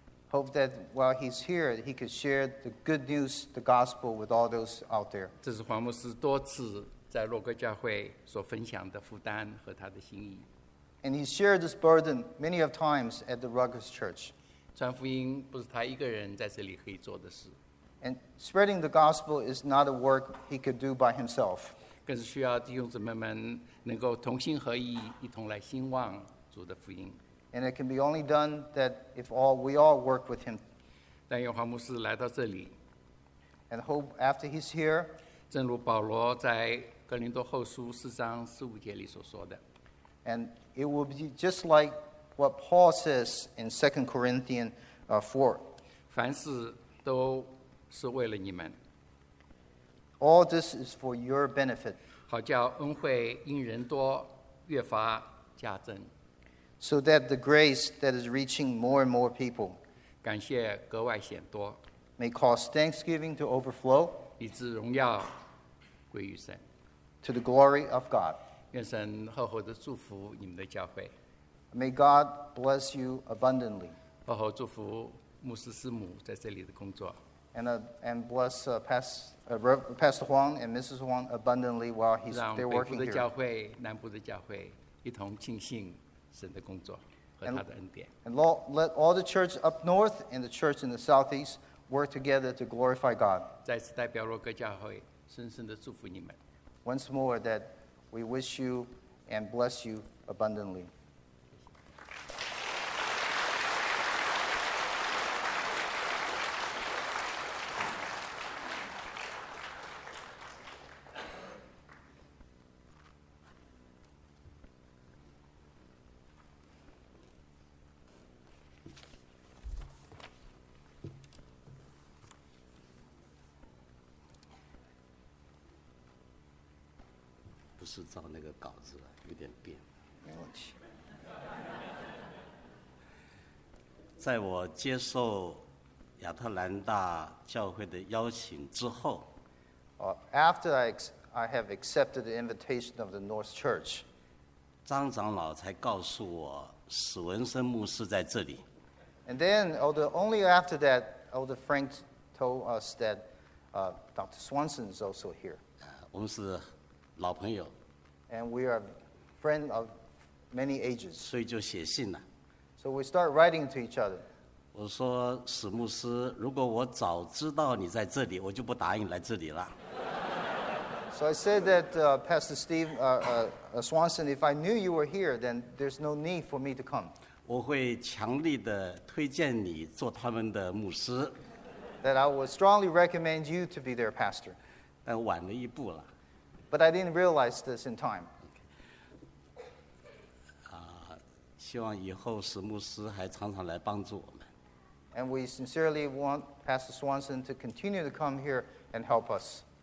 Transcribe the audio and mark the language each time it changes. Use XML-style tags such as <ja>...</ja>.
<en>Hope that while he's here, he could share the good news, the gospel, with all those out there. This is</en> <zh>黄牧师多次在洛格教会所分享的负担和他的心意。</zh> <en>And he shared this burden many of times at the Ruggles Church.</en> <zh>传福音不是他一个人在这里可以做的事。</zh> <en>And spreading the gospel is not a work he could do by himself.</en> <zh>更是需要弟兄姊妹们能够同心合意，一同来兴旺主的福音。</zh> <en>And it can be only done that if all we all work with him.</en> <zh>但愿黄牧师来到这里。</zh> <en>And hope after he's here.</en> <zh>正如保罗在哥林多后书四章十五节里所说的。</zh> <en>And it will be just like what Paul says in 2 Corinthians 4.</en> <zh>凡事都是为了你们。</zh> <en>All this is for your benefit.</en> <zh>好叫恩惠因人多越发加增。</zh> <en>So that the grace that is reaching more and more people.</en> <zh>感谢格外显多。</zh> <en>May cause thanksgiving to overflow.</en> <zh>以致荣耀归于神。</zh> <en>To the glory of God.</en> <zh>愿神厚厚地祝福你们的教会。</zh> <en>May God bless you abundantly.</en> <zh>厚厚祝福牧师师母在这里的工作。</zh> <en>And bless Pastor Huang and Mrs. Huang abundantly while he's there working here.</en> <zh>让北部的教会、南部的教会一同庆幸神的工作和他的恩典。</zh> <en>And let all the church up north and the church in the southeast work together to glorify God.</en> <zh>再次代表若各教会深深地祝福你们。</zh> <en>Once more, that we wish you and bless you abundantly.</en> <zh>在我接受亚特兰大教会的邀请之后</zh> <en>After I have accepted the invitation of the North Church,</en> <zh>张长老才告诉我史文森牧师在这里。</zh> <en>And then, only after that, Elder Frank told us that Dr. Swanson is also here.</en> <zh>我们是老朋友。</zh> <en>And we are friends of many ages.</en> <zh>所以就写信了。</zh> <en>So we start writing to each other.</en> <zh>我说史牧师，如果我早知道你在这里，我就不答应来这里了。</zh> <en>So I said that Pastor Steve Swanson, if I knew you were here, then there's no need for me to come.</en> <zh>我会强力的推荐你做他们的牧师。</zh> <en>That I would strongly recommend you to be their pastor.</en> <zh>但晚了一步了。</zh> <en>But I didn't realize this in time.</en> <zh>希望以后史牧师还常常来帮助我们。</zh> <en>And we sincerely want Pastor Swanson to continue to come here and help us.</en>